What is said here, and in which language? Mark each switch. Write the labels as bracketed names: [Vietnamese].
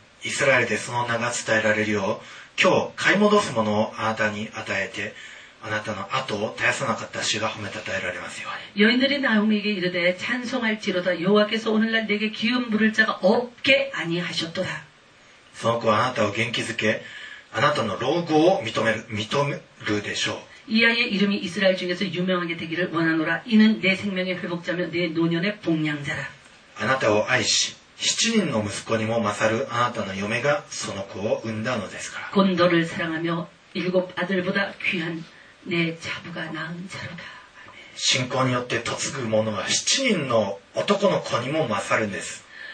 [Korean] 이스라엘에게 [Japanese] その名が伝えられるよう今日買い戻すものをあなたに与えてあなたの後を絶やさなかった主が褒めたたえられますよ。 [Korean] 여인들이나오미에게이르되찬송할지로다여호와께서오늘날내게기운부를자가없게아니하셨도다 [Japanese] その子はあなたを元気づけあなたの老後を認めるでしょう。 [Korean] 이아이의이름이이스라엘중에서유명하게되기를원하노라이는내생명의회복자며내노년의봉양자라 [Japanese] あなたを愛し七人の息子にも勝るあなたの嫁がその子を産んだのですから。 [Korean] 곤도를사랑하며일곱아들보다귀한내자부가낳은자로다 [Japanese] 信仰によって嫁ぐ者は七人の男の子にも勝るんです。